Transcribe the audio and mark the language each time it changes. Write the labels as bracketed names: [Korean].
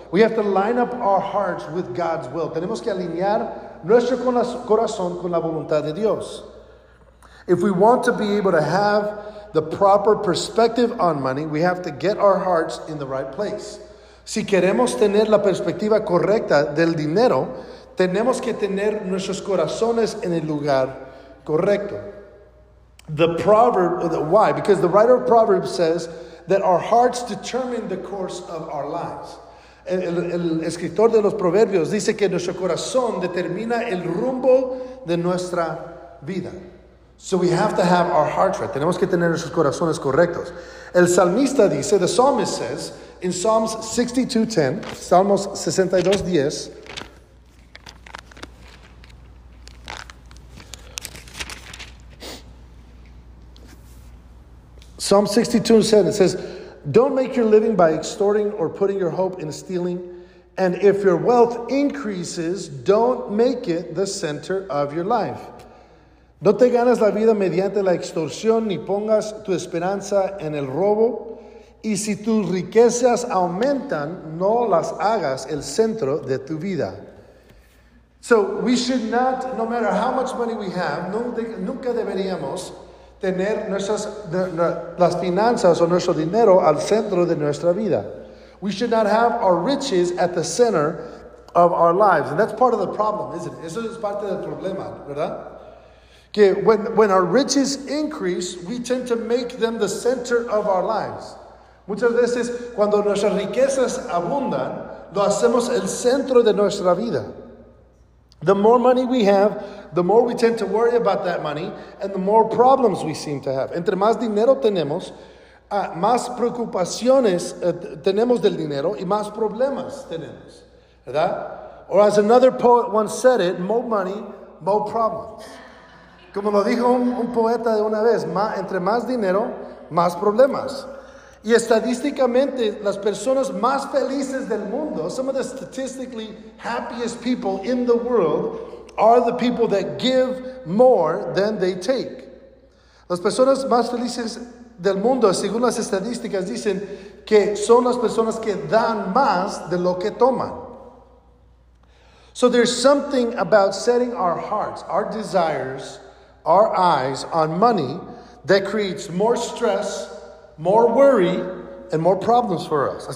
[English] We have to line up our hearts with God's will. [Spanish] Tenemos que alinear nuestro corazón con la voluntad de Dios. [English] If we want to be able to have the proper perspective on money, we have to get our hearts in the right place. [Spanish] Si queremos tener la perspectiva correcta del dinero, tenemos que tener nuestros corazones en el lugar correcto. [English] The proverb, why? Because the writer of Proverbs says that our hearts determine the course of our lives. [Spanish] El escritor de los Proverbios dice que nuestro corazón determina el rumbo de nuestra vida. [English] So we have to have our hearts right. [Spanish] Tenemos que tener nuestros corazones correctos. El salmista dice, [English] the psalmist says, in Psalms 62:10, Salmos 62:10, Psalm 62:7, it says, don't make your living by extorting or putting your hope in stealing. And if your wealth increases, don't make it the center of your life. [Spanish] No te ganas la vida mediante la extorsión, ni pongas tu esperanza en el robo. Y si tus riquezas aumentan, no las hagas el centro de tu vida. [English] So we should not, no matter how much money we have, [Spanish] nunca deberíamos tener las finanzas o nuestro dinero al centro de nuestra vida. [English] We should not have our riches at the center of our lives. And that's part of the problem, isn't it? [Spanish] Eso es parte del problema, ¿verdad? [English] Que when our riches increase, we tend to make them the center of our lives. [Spanish] Muchas veces, cuando nuestras riquezas abundan, lo hacemos el centro de nuestra vida. [English] The more money we have, the more we tend to worry about that money, and the more problems we seem to have. [Spanish] Entre más dinero tenemos, más preocupaciones tenemos del dinero, y más problemas tenemos, ¿verdad? [English] Or as another poet once said it, more money, more problems. [Spanish] Como lo dijo un poeta de una vez, entre más dinero, más problemas. Y estadísticamente, las personas más felices del mundo, [English] some of the statistically happiest people in the world, are the people that give more than they take. [Spanish] Las personas más felices del mundo, según las estadísticas, dicen que son las personas que dan más de lo que toman. [English] So there's something about setting our hearts, our desires, our eyes on money that creates more stress, more worry, and more problems for us.